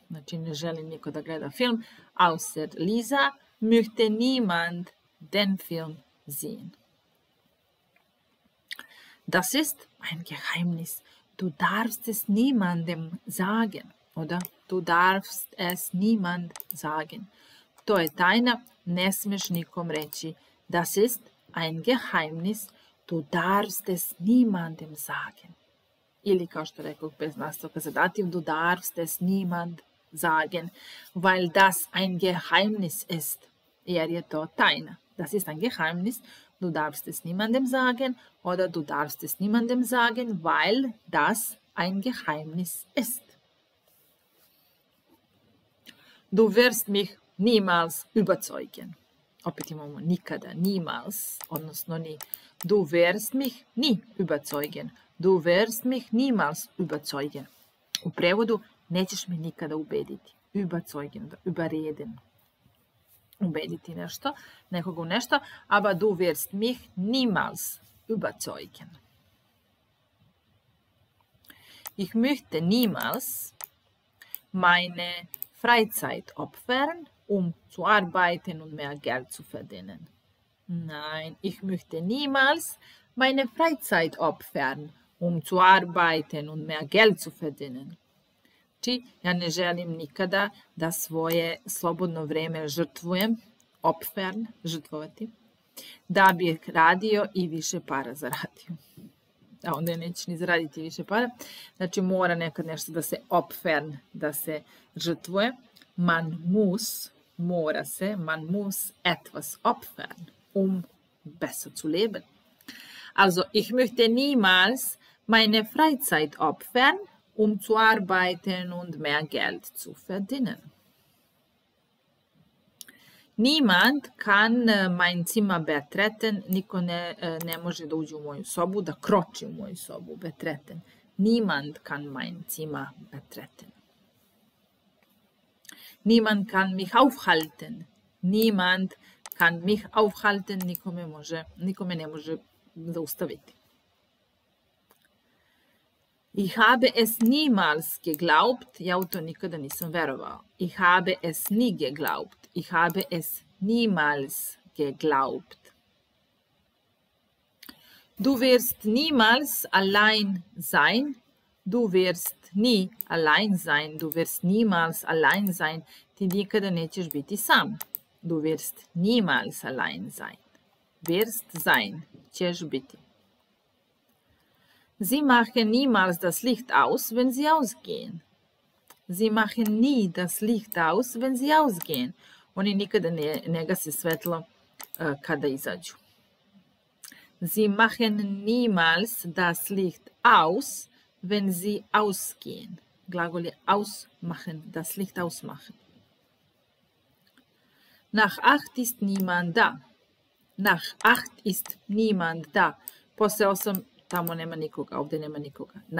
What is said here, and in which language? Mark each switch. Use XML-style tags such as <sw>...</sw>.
<sr>Znači, ne želi niko da gleda film.</sr> <de>Außer Lisa möchte niemand den Film sehen. Das ist ein Geheimnis. Du darfst es niemandem sagen. Oder du darfst es niemand sagen.</de> <sr>To je tajna, ne smeš nikom reći.</sr> <de>Das ist ein Geheimnis. Du darfst es niemandem sagen.</de> <sr>ili kao što rekoh bez nastavka za dativ,</sr> <de>du darfst es niemand sagen, weil das ein Geheimnis ist,</de> <sr>jer je to tajna.</sr> <de>Das ist ein Geheimnis, du darfst es niemandem sagen, oder du darfst es niemandem sagen, weil das ein Geheimnis ist. Du wirst mich niemals überzeugen.</de> <sr>Opet imamo nikada,</sr> <de>niemals,</de> <sr>odnosno ni.</sr> <de>Du wirst mich nie überzeugen. Du wirst mich niemals überzeugen.</de> <sr>U prevodu, nećeš mi nikada ubediti.</sr> <de>Überzeugen, überreden.</de> <sr>Ubediti nešto, nekoga u nešto,</sr> <de>aber du wirst mich niemals überzeugen. Ich möchte niemals meine Freizeit opfern, zu arbeiten und mehr Geld zu verdienen. Nein, ich möchte niemals meine Freizeit opfern, zu arbeiten und mehr Geld zu verdienen.</de> <sr>Znači, ja ne želim nikada da svoje slobodno vreme žrtvujem, opfern, žrtvovati, da bih radio i više para zaradio. A onda neće ni zaraditi više para. Znači, mora nekad nešto da se opfern, da se žrtvuje.</sr> <de>Man muss,</de> <sr>mora se,</sr> <de>man muss etwas opfern, besser zu leben. Also, ich möchte niemals meine Freizeit opfern, zu arbeiten und mehr Geld zu verdienen. Niemand kann mein Zimmer betreten.</de> <sr>Niko ne može da uđe u moju sobu, da kroči u moju sobu, betreten.</sr> <de>Niemand kann mein Zimmer betreten. Niemand kann mich aufhalten. Niemand kann mich aufhalten.</de> <sr>Nikome ne može zaustaviti.</sr> <de>Ich habe es niemals geglaubt.</de> <sr>Ja u to nikada nisam verovao.</sr> <de>Ich habe es nie geglaubt. Ich habe es niemals geglaubt. Du wirst niemals allein sein. Du wirst nie allein sein. Du wirst niemals allein sein.</de> <sr>Ti nikada nećeš biti sam.</sr> <de>Du wirst niemals allein sein. Wirst sein.</de> <sr>Ćeš biti.</sr> <de>Sie machen niemals das Licht aus, wenn sie ausgehen. Sie machen nie das Licht aus, wenn sie ausgehen.</de> <sr>Oni nikada ne gase svetlo kada izađu.</sr> <de>Sie machen niemals das Licht aus, wenn sie ausgehen.</de> <sr>Glagol je</sr> <de>ausmachen, das Licht ausmachen. Nach acht ist niemand da. Nach acht ist niemand da.</de> <sr>Posle osam tamo nema nikoga, ovde nema nikoga.</sr>